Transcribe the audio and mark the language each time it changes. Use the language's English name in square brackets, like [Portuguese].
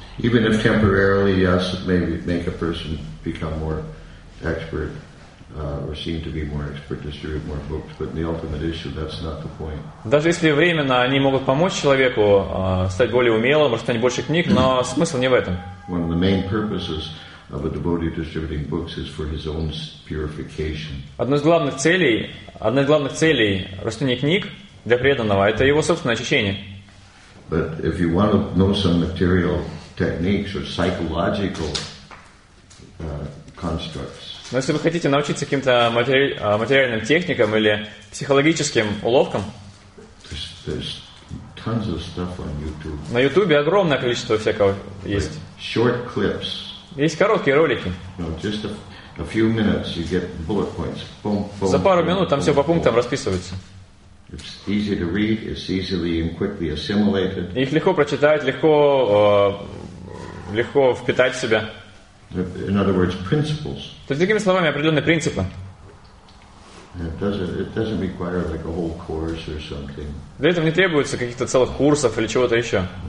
[English] Even if temporarily, yes, it may make a person become more expert, or seem to be more expert, distribute more books, but in the ultimate issue, that's not the point. [Russian] Даже если временно они могут помочь человеку стать более умелым, расстать больше книг, но смысл не в этом. [English] One of the main purposes of a devotee distributing books is for his own purification. [Russian] Одна из главных целей расстания книг для преданного – это его собственное очищение. [English] But if you want to know some material techniques or psychological constructs. [Russian] Но если вы хотите научиться каким-то материальным техникам или психологическим уловкам, [English] there's tons of stuff on YouTube. [Russian] На YouTube огромное количество всякого есть. [English] Short clips. [Russian] Есть короткие ролики. [English] No, just a few minutes, you get bullet points. Boom, boom, [Russian] за пару минут там все по пунктам расписывается. [English] It's easy to read, it's easily and quickly assimilated. [Russian] Их легко прочитать, легко впитать в себя. [English] In other words, principles. [Russian] То есть, другими словами, определенные принципы. [English] It doesn't require like a whole course or something. [Russian] Для этого не требуется каких-то целых курсов или чего-то еще.